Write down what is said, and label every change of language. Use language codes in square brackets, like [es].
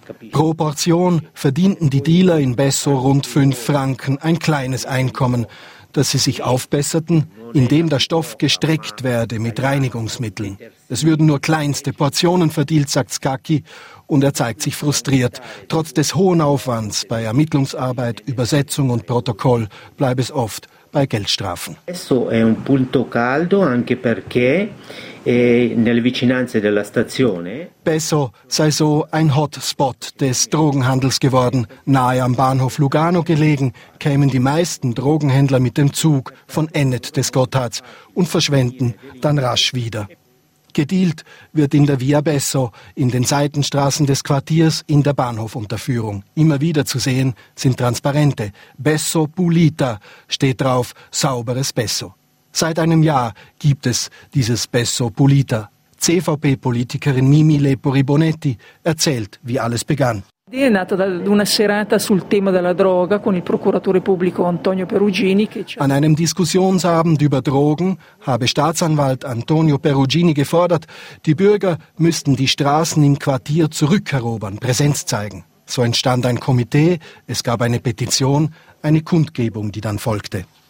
[de] Pro Portion verdienten die Dealer in Besso rund 5 Franken, ein kleines Einkommen, dass sie sich aufbesserten, indem der Stoff gestreckt werde mit Reinigungsmitteln. Es würden nur kleinste Portionen verdielt, sagt Skaki, und er zeigt sich frustriert. Trotz des hohen Aufwands bei Ermittlungsarbeit, Übersetzung und Protokoll bleibe es oft bei Geldstrafen. [it] Questo è un punto caldo anche perché nelle vicinanze della stazione. [de] Besso sei so ein Hotspot des Drogenhandels geworden. Nahe am Bahnhof Lugano gelegen, kämen die meisten Drogenhändler mit dem Zug von Ennet des Gotthards und verschwenden dann rasch wieder. Gedealt wird in der Via Besso, in den Seitenstraßen des Quartiers, in der Bahnhofunterführung. Immer wieder zu sehen sind Transparente. Besso Pulita steht drauf, sauberes Besso. Seit einem Jahr gibt es dieses Besso Pulita. CVP-Politikerin Mimi Lepori Bonetti erzählt, wie alles begann. [it] È nata da una serata sul tema della droga con il procuratore pubblico Antonio Perugini. [de] An einem Diskussionsabend über Drogen habe Staatsanwalt Antonio Perugini gefordert, die Bürger müssten die Straßen im Quartier zurückerobern, Präsenz zeigen. So entstand ein Komitee, es gab eine Petition, eine Kundgebung, die dann folgte.